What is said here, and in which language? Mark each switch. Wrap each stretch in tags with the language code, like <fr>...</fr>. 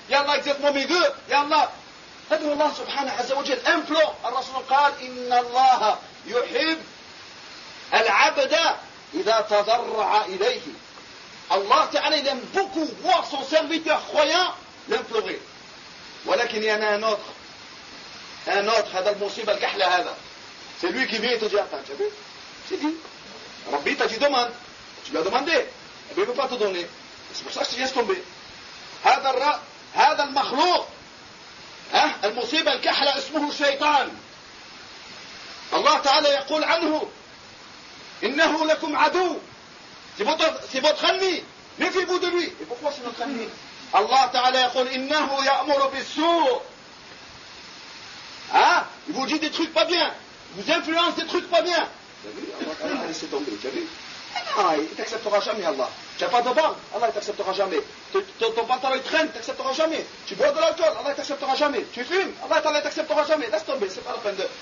<ar>Ya Allah, ajzatmo</ar> <fr>mes deux.</fr> <ar>Ya Allah. Ad'u Allah subhanahu azza wa jal.</ar> <fr>Implore.</fr> <ar>Ar-Rasul qal, inna Allah yuhib al-abda idha tadarra'a ilayhi.</ar> <fr>Allah ta'ala, il aime beaucoup voir son serviteur croyant l'implorer.</fr> <ar>Walakin</ar> <fr>il y en a un autre. Un autre,</fr> <ar>هذا المصيبة الكحلة هذا.</ar> <fr>C'est lui qui vient et te dit, attends, tu vois, c'est dit. Rabbi t'a dit, demande. Tu lui as demandé. Et bien, il ne veut pas te donner. C'est pour ça que tu viens se tomber.</fr> <ar>هذا المخلوق. Hein? المصيبة الكحلة اسمه الشيطان. Allah Ta'ala يقول عنه. إنه لكم عدو.</ar> <fr>C'est votre ennemi. Méfiez-vous de lui. Et pourquoi c'est notre ennemi?</fr> <ar>Allah Ta'ala يقول إنه يأمر بالسوء. Hein?</ar> <fr>Il vous dit des trucs pas bien. Il vous influence des trucs pas bien. Tu as vu? Allah laisse tomber. Tu as vu? Non, il ne t'acceptera jamais, Allah. Tu n'as pas de banque? Allah ne t'acceptera jamais. Ton pantalon il traîne, il ne t'acceptera jamais. Tu bois de l'alcool? Allah ne t'acceptera jamais. Tu fumes? Allah ne t'acceptera jamais. Laisse tomber. Ce n'est pas la fin de.</fr>